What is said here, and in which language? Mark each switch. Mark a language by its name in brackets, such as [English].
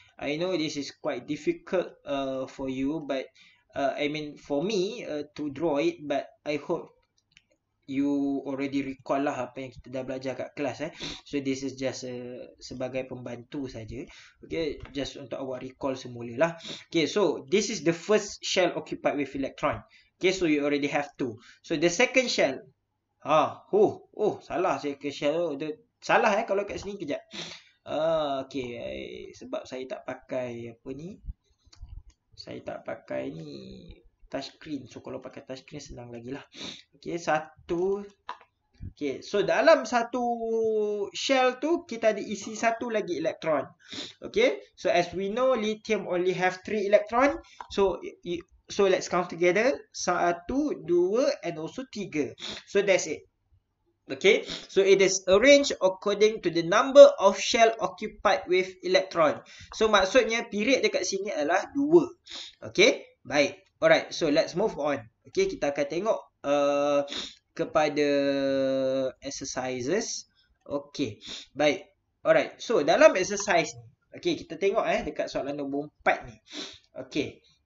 [English] I know this is quite difficult for you, but I mean for me to draw it, but I hope you already recall [Malay] lah apa yang kita dah belajar kat kelas eh. [English] So this is just [Malay] sebagai pembantu saja. Okay, just untuk awak recall semula lah. [English] Okay, so this is the first shell occupied with electron. Okay, so you already have two. So the second shell. Ah, oh, [Malay] salah saya ke [English] shell. [Malay] Oh, the, salah eh kalau kat sini kejap. Okay, sebab saya tak pakai apa ni. Saya tak pakai ni. Touchscreen. So, kalau pakai touchscreen senang lagi lah. Okay, satu. Okay, so dalam satu shell tu, kita ada isi satu lagi elektron. [English] Okay, so as we know, lithium only have three electron. So, so let's count together. [Malay] Satu, dua [English] and also tiga. So, that's it. Okay, so it is arranged according to the number of shell occupied with electron. [Malay] So, maksudnya period dekat sini adalah dua. [English] Okay, baik. Alright, so let's move on. Okay, [Malay] kita akan tengok kepada [English] exercises. Okay, baik. Alright, so dalam exercise ni. [Malay] Okay, kita tengok eh dekat soalan nombor 4 ni. Okay.